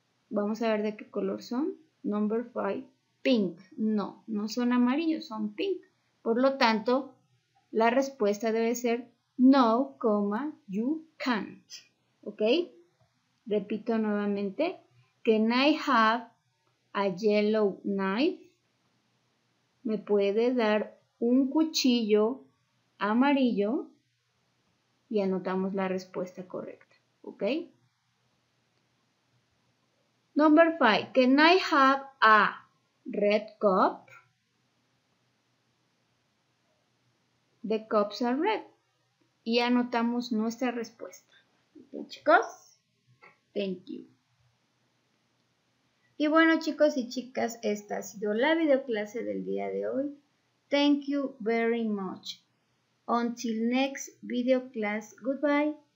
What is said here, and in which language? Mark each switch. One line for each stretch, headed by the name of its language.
Spanish: Vamos a ver de qué color son. Number 5. Pink. No, no son amarillos, son pink. Por lo tanto, la respuesta debe ser no, you can't. ¿Ok? Repito nuevamente.
English: Can I have a yellow knife?
Spanish: ¿Me puede dar un cuchillo amarillo? Y anotamos la respuesta correcta. ¿Ok?
English: Number 5. Can I have a red cup? The cups are red.
Spanish: Y anotamos nuestra respuesta. ¿Okay, chicos? Thank you. Y bueno, chicos y chicas, esta ha sido la videoclase del día de hoy.
English: Thank you very much. Until next video class, goodbye.